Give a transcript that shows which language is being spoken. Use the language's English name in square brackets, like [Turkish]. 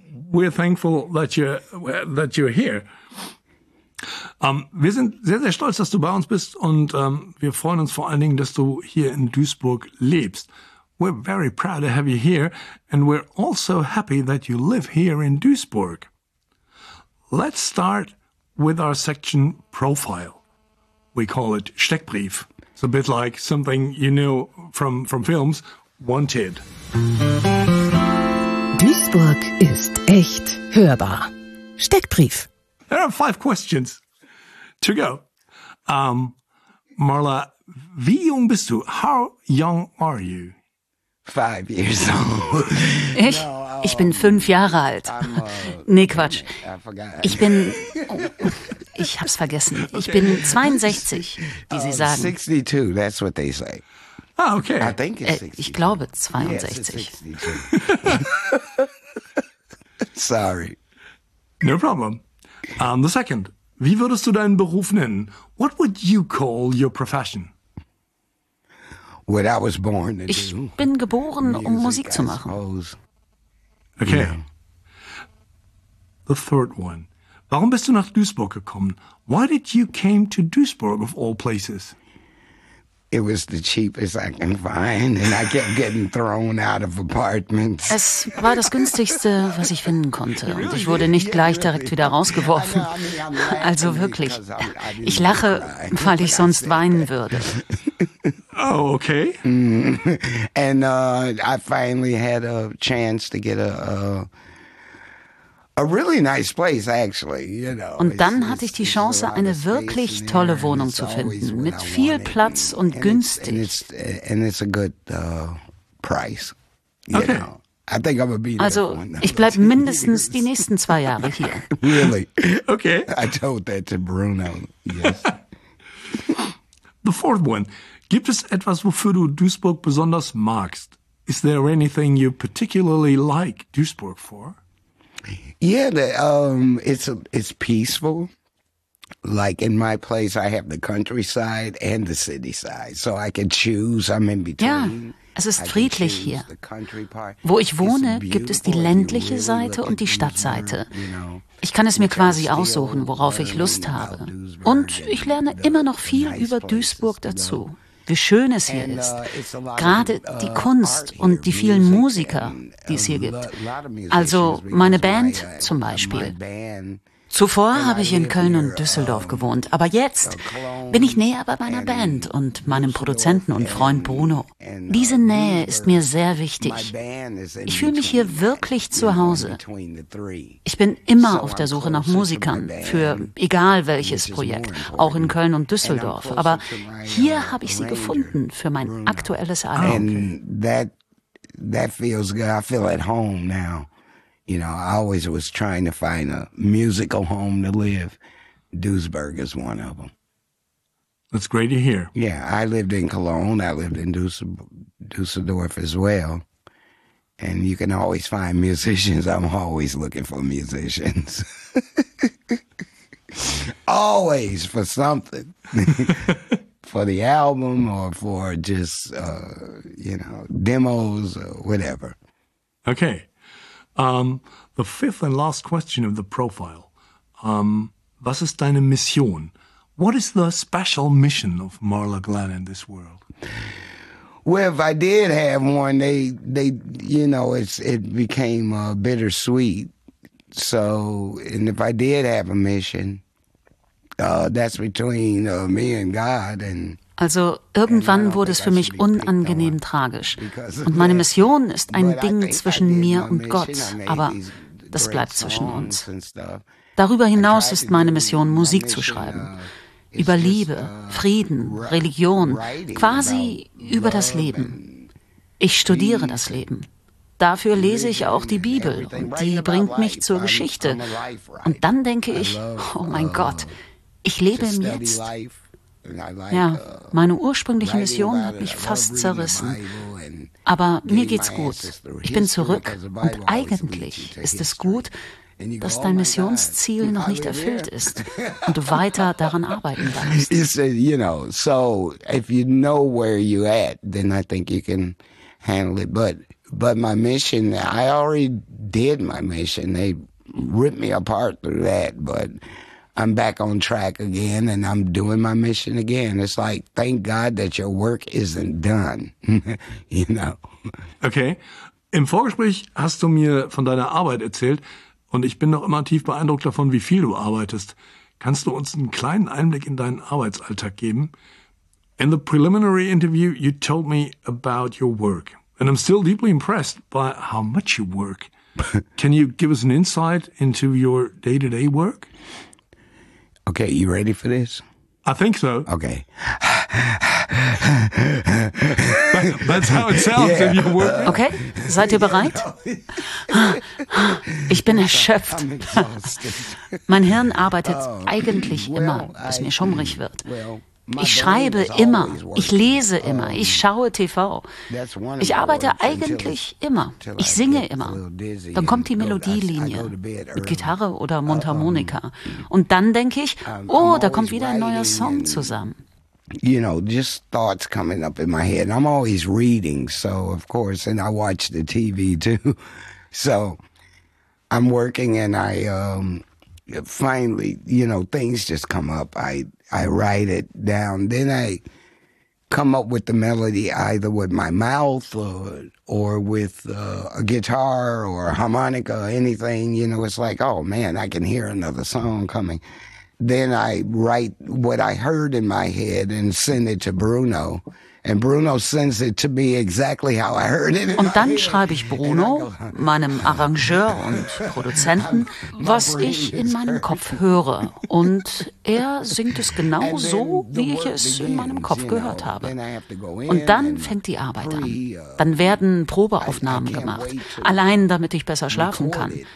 [English] We're thankful that you're here. [German] Wir sind sehr, sehr stolz, dass du bei uns bist und wir freuen uns vor allen Dingen, dass du hier in Duisburg lebst. [English] We're very proud to have you here and we're also happy that you live here in Duisburg. Let's start with our section profile. We call it Steckbrief. It's a bit like something you know from films, Wanted. [German] Duisburg ist echt hörbar. Steckbrief. [English] There are 5 questions to go. [German] Marla, wie jung bist du? [English] How young are you? 5 years old. [German] Ich? Ich bin 5 Jahre alt. Nee, Quatsch. Ich bin... Ich hab's vergessen. Ich bin 62, wie sie sagen. [English] 62, that's what they say. Ah, okay. I think it's 62. [German] Ich glaube, 62. [English] Sorry. No problem. The second. [German] Wie würdest du deinen Beruf nennen? [English] What would you call your profession? What I was born to [German] ich [English] do. [German] Ich bin geboren, music, um Musik zu machen. [English] Suppose. Okay. Yeah. The third one. [German] Warum bist du nach Duisburg gekommen? [English] Why did you came to Duisburg of all places? It was the cheapest I can find and I kept getting thrown out of apartments. [German] Es war das günstigste, was ich finden konnte und ich wurde nicht gleich direkt wieder rausgeworfen. Also wirklich, ich lache, weil ich sonst weinen würde. [English] Oh, okay. And I finally had a chance to get a really nice place, actually, you know. [German] Und dann hatte ich die Chance, eine wirklich tolle Wohnung zu finden, mit viel Platz und günstig. [English] And it's a good price, you know. I think I'm gonna be [German] also, ich bleibe mindestens die nächsten 2 Jahre hier. [English] Really? Okay. I told that to Bruno, yes. The fourth one. [German] Gibt es etwas, wofür du Duisburg besonders magst? [English] Is there anything you particularly like Duisburg for? Yeah, it's peaceful. Like in my place, I have the countryside and the city side, so I can choose. I'm in between. [German] Ja, es ist friedlich hier. Wo ich wohne, gibt es die ländliche Seite und die Stadtseite. Ich kann es mir quasi aussuchen, worauf ich Lust habe. Und ich lerne immer noch viel über Duisburg dazu. Wie schön es hier ist. Gerade die Kunst und die vielen Musiker, die es hier gibt. Also meine Band zum Beispiel. Zuvor habe ich in Köln und Düsseldorf gewohnt, aber jetzt bin ich näher bei meiner Band und meinem Produzenten und Freund Bruno. Diese Nähe ist mir sehr wichtig. Ich fühle mich hier wirklich zu Hause. Ich bin immer auf der Suche nach Musikern, für egal welches Projekt, auch in Köln und Düsseldorf. Aber hier habe ich sie gefunden für mein aktuelles Album. [English] That feels good. I feel at home now. You know, I always was trying to find a musical home to live. Duisburg is one of them. That's great to hear. Yeah, I lived in Cologne. I lived in Dusseldorf as well. And you can always find musicians. I'm always looking for musicians. Always for something. for the album or for just, you know, demos or whatever. Okay. The fifth and last question of the profile. [German] Was ist deine Mission? [English] What is the special mission of Marla Glenn in this world? Well, if I did have one, they you know, it became bittersweet. So, and if I did have a mission, that's between me and God. And [German] also, irgendwann wurde es für mich unangenehm tragisch. Und meine Mission ist ein Ding zwischen mir und Gott, aber das bleibt zwischen uns. Darüber hinaus ist meine Mission, Musik zu schreiben. Über Liebe, Frieden, Religion, quasi über das Leben. Ich studiere das Leben. Dafür lese ich auch die Bibel und die bringt mich zur Geschichte. Und dann denke ich, oh mein Gott, ich lebe im Jetzt. Ja, meine ursprüngliche Mission hat mich fast zerrissen. Aber mir geht's gut. Ich bin zurück und eigentlich ist es gut, dass dein Missionsziel noch nicht erfüllt ist und du weiter daran arbeiten darfst. [English] You know, so if you know where you're at, then I think you can handle it. But my mission, I already did my mission. They ripped me apart through that, but I'm back on track again and I'm doing my mission again. It's like, thank God that your work isn't done, you know. [German] Okay, im Vorgespräch hast du mir von deiner Arbeit erzählt, und ich bin noch immer tief beeindruckt davon, wie viel du arbeitest. Kannst du uns einen kleinen Einblick in deinen Arbeitsalltag geben? [English] In the preliminary interview, you told me about your work. And I'm still deeply impressed by how much you work. Can you give us an insight into your day-to-day work? Okay, you ready for this? I think so. Okay. That's how it sounds if you work. [German] Okay, seid ihr bereit? Ich bin erschöpft. Mein Hirn arbeitet eigentlich immer, bis mir schummrig wird. Ich schreibe immer, ich lese immer, ich schaue TV. Ich arbeite eigentlich immer, ich singe immer. Dann kommt die Melodielinie mit Gitarre oder Mundharmonika. Und dann denke ich, oh, da kommt wieder ein neuer Song zusammen. [English] You know, just thoughts coming up in my head. I'm always reading, so of course, and I watch the TV too. So I'm working and I finally, you know, things just come up. I write it down. Then I come up with the melody either with my mouth or with a guitar or a harmonica, anything. You know, it's like, oh, man, I can hear another song coming. Then I write what I heard in my head and send it to Bruno. And Bruno sends it to me exactly how I heard it. [German] Und dann schreibe ich Bruno, meinem Arrangeur und Produzenten, was ich in meinem Kopf höre. Und er singt es genau so, wie ich es in meinem Kopf gehört habe. Und dann fängt die Arbeit an. Dann werden Probeaufnahmen gemacht, allein damit ich besser schlafen kann.